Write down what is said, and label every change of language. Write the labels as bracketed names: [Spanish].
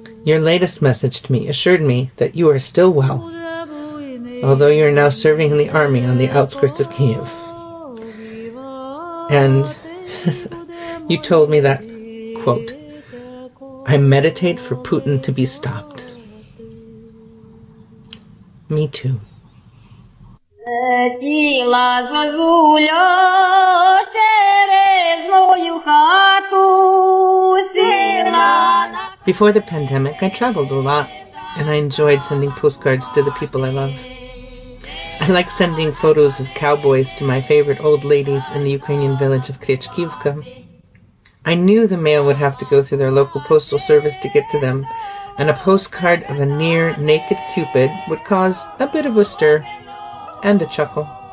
[English] Your latest message to me assured me that you are still well, although you're now serving in the army on the outskirts of Kyiv. And you told me that, quote, I meditate for Putin to be stopped. Me too. [Ukrainian] Летіла зозуля через мою хату, сіла. [English] Before the pandemic, I traveled a lot, and I enjoyed sending postcards to the people I love. I like sending photos of cowboys to my favorite old ladies in the Ukrainian village of Krychkivka. I knew the mail would have to go through their local postal service to get to them, and a postcard of a near-naked Cupid would cause a bit of a stir and a chuckle.